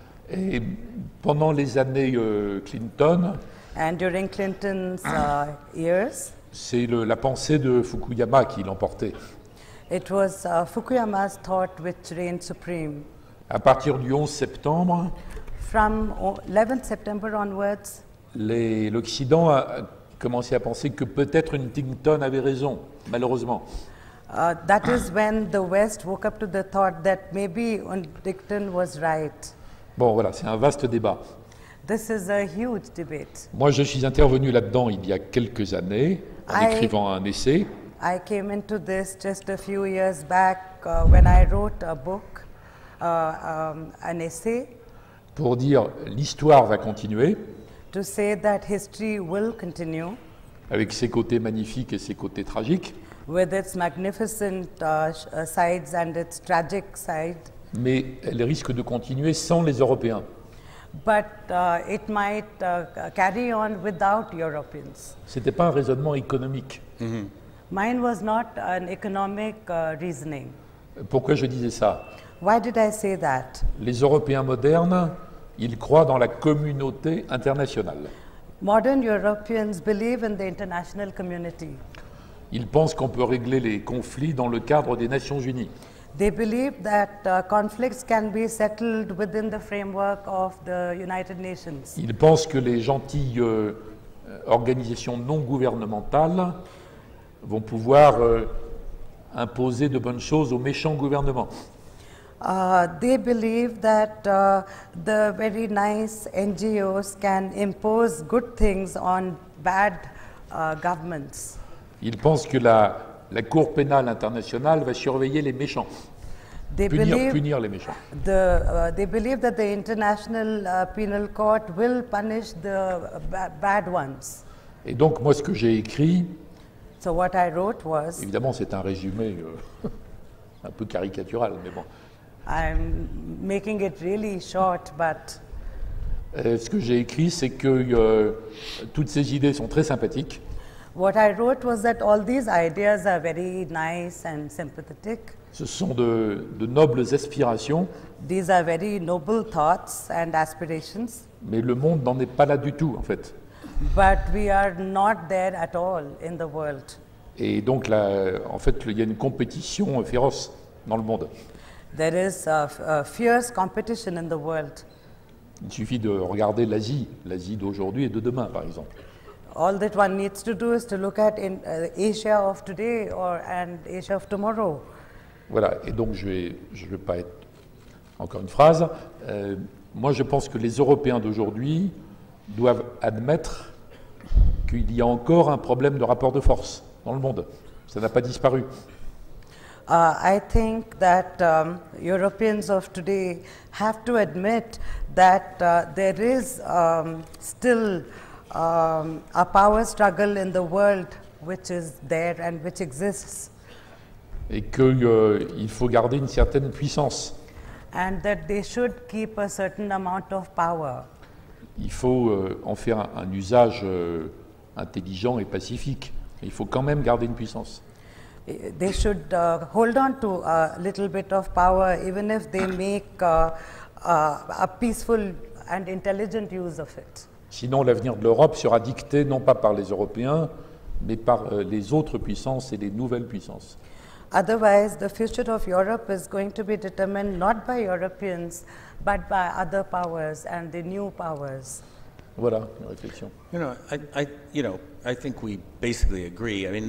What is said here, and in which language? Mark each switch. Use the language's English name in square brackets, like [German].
[French] Et pendant les années Clinton, [English] and during Clinton's years, [French] c'est la pensée de Fukuyama qui l'emportait. [English] It was Fukuyama's thought which reigned supreme. [French] À partir du 11 septembre, [English] from 11 September onwards, [French] l'Occident a commencé à penser que peut-être Huntington avait raison, malheureusement. [English] That is when the West woke up to the thought that maybe Huntington was right. [French] Bon, voilà, c'est un vaste débat. [English] This is a huge debate. [French] Moi, je suis intervenu là-dedans il y a quelques années, écrivant un essai. [English] I came into this just a few years back when I wrote a book, an essay. [French] Pour dire l'histoire va continuer. [English] To say that history will continue. [French] Avec ses côtés magnifiques et ses côtés tragiques. [English] With its magnificent sides and its tragic side. [French] Mais elle risque de continuer sans les Européens. [English] But it might carry on without Europeans. [French] C'était pas un raisonnement économique. [English] Mine was not an economic reasoning. [French] Pourquoi je disais ça? [English] Why did I say that? [French] Les Européens modernes, ils croient dans la communauté internationale. [English] Modern Europeans believe in the international community. [French] Ils pensent qu'on peut régler les conflits dans le cadre des Nations Unies. [English] They believe that conflicts can be settled within the framework of the United Nations. [French] Ils pensent que les gentilles organisations non gouvernementales vont pouvoir imposer de bonnes choses aux méchants gouvernements. [English] They believe that the very nice NGOs can impose good things on bad governments. [French] Ils pensent que la Cour pénale internationale va surveiller les méchants. Punir les méchants. [English] They believe that the International Penal Court will punish the bad ones. [French] Et donc moi ce que j'ai écrit. [English] So what I wrote was, [French] évidemment, c'est un résumé un peu caricatural, mais bon. [English] I'm making it really short, but [French] ce que j'ai écrit, c'est que toutes ces idées sont très sympathiques. [English] What I wrote was that all these ideas are very nice and sympathetic. [French] Ce sont de nobles aspirations. [English] These are very noble thoughts and aspirations. [French] Mais le monde n'en est pas là du tout, en fait. [English] But we are not there at all in the world. [French] Et donc là, en fait, il y a une compétition féroce dans le monde. [English] There is a fierce competition in the world. [French] Il suffit de regarder l'Asie, l'Asie d'aujourd'hui et de demain, par exemple. [English] All that one needs to do is to look at in Asia of today or and Asia of tomorrow. [French] Voilà, et donc je vais pas être encore une phrase. Moi, je pense que les Européens d'aujourd'hui doivent admettre qu'il y a encore un problème de rapport de force dans le monde. Ça n'a pas disparu. [English] I think that Europeans of today have to admit that there is still a power struggle in the world which is there and which exists. [French] Et que il faut garder une certaine puissance. [English] And that they should keep a certain amount of power. [French] Il faut en faire un usage intelligent et pacifique. Il faut quand même garder une puissance. [English] They should hold on to a little bit of power, even if they make a peaceful and intelligent use of it. [French] Sinon, l'avenir de l'Europe sera dicté non pas par les Européens, mais par les autres puissances et les nouvelles puissances. [English] Otherwise, the future of Europe is going to be determined not by Europeans, but by other powers and the new powers. [French] Voilà, une réflexion. [English] You know, I think we basically agree.